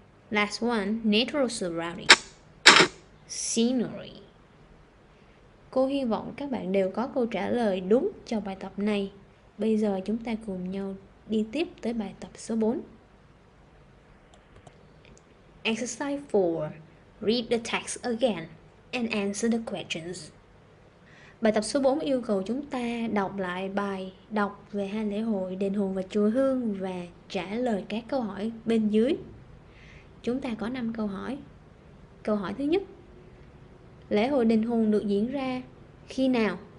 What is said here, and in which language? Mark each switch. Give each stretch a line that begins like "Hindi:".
English: Last 1, natural surrounding, scenery.
Vietnamese: Cô hy vọng các bạn đều có câu trả lời đúng cho bài tập này. Bây giờ chúng ta cùng nhau đi tiếp tới bài tập số 4.
English: Exercise 4. Read the text again and answer the questions.
Vietnamese: Bài tập số 4 yêu cầu chúng ta đọc lại bài đọc về hai lễ hội Đền Hùng và Chùa Hương và trả lời các câu hỏi bên dưới. Chúng ta có 5 câu hỏi. Câu hỏi thứ nhất: lễ hội Đền Hùng được diễn ra khi nào?